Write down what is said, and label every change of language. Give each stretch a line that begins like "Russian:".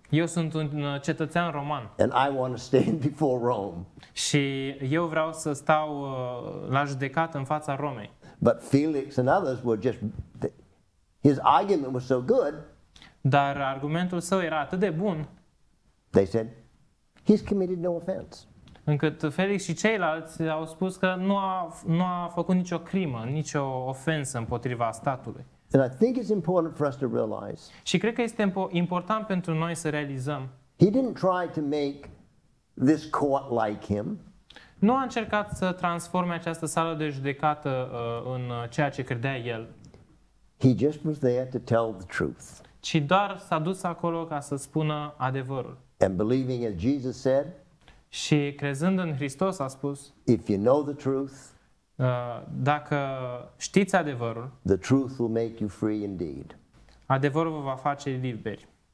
Romanian: Eu sunt un cetățean roman.
English: And I want to stand before Rome.
Romanian: Și eu vreau să stau la judecată în fața Romei.
English: But Felix and others were just his argument was so good.
Romanian: Dar argumentul său era atât de bun.
English: They said he's committed no offense.
Romanian: Încât Felix și ceilalți au spus că nu a făcut nicio crimă, nicio ofensă împotriva statului.
English: And I think it's important for us to realize.
Romanian: Și cred că este important pentru noi să realizăm.
English: He didn't try to make this court like him.
Romanian: Nu a încercat să transforme această sală de judecată în ceea ce credea el.
English: He just was there to tell the truth.
Romanian: Ci doar s-a dus acolo ca să spună adevărul.
English: And believing as Jesus said.
Romanian: Și crezând în Hristos a spus.
English: If you know the truth.
Romanian: Dacă știți adevărul,
English: the truth will make you free indeed.
Romanian: Adevărul vă va face liberi.